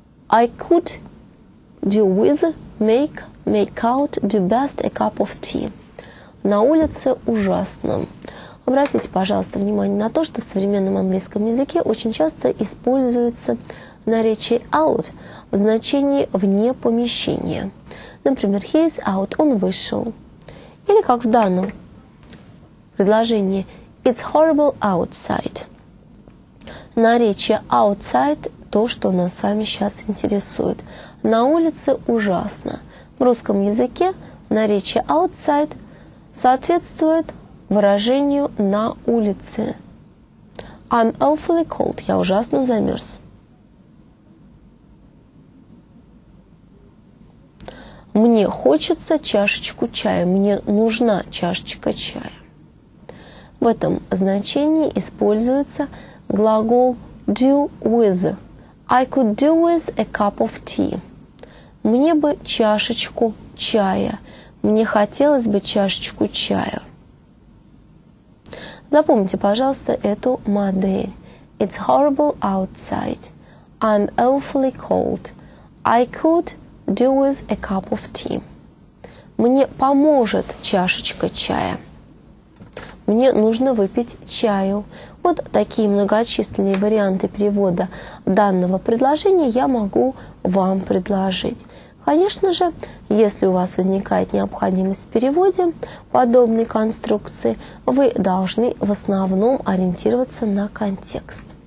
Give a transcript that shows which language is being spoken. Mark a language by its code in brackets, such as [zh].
[en] I could do with make out the best a cup of tea. [ru] На улице ужасно. Обратите, пожалуйста, внимание на то, что в современном английском языке очень часто используется наречие out в значении вне помещения. Например, [en] he is out, [ru] он вышел. Или как в данном предложении. [en] It's horrible outside. [ru] Наречие outside – то, что нас с вами сейчас интересует. На улице ужасно. В русском языке наречие outside соответствует выражению «на улице». [en] I'm awfully cold. [ru] Я ужасно замерз. Мне хочется чашечку чая. Мне нужна чашечка чая. В этом значении используется глагол do with. [en] I could do with a cup of tea. [ru] Мне бы чашечку чая. Мне хотелось бы чашечку чая. Запомните, пожалуйста, эту модель. [en] It's horrible outside. I'm awfully cold. I could do with a cup of tea. [ru] Мне поможет чашечка чая. Мне нужно выпить чаю. Вот такие многочисленные варианты перевода данного предложения я могу вам предложить. Конечно же, если у вас возникает необходимость в переводе подобной конструкции, вы должны в основном ориентироваться на контекст.